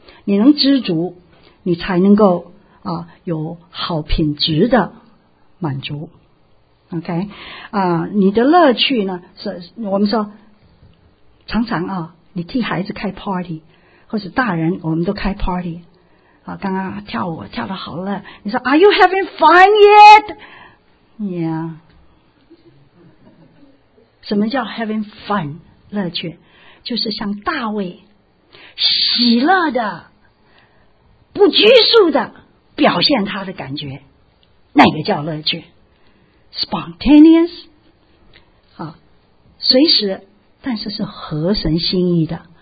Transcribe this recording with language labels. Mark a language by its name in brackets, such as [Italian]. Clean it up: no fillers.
[Chinese] 你能知足，你才能够啊有好品质的满足。 OK 啊，你的乐趣呢，是我们说常常啊，你替孩子开 party， 或是大人我们都开 party 啊，刚刚跳舞跳得好累，你说 [English] Are you having fun yet？ [Chinese] Yeah， 什么叫 [English] having fun？ [Chinese] 乐趣就是像大卫喜乐的不拘束的表现他的感觉，那个叫乐趣。 spontaneous 啊，随时，但是是合神心意的。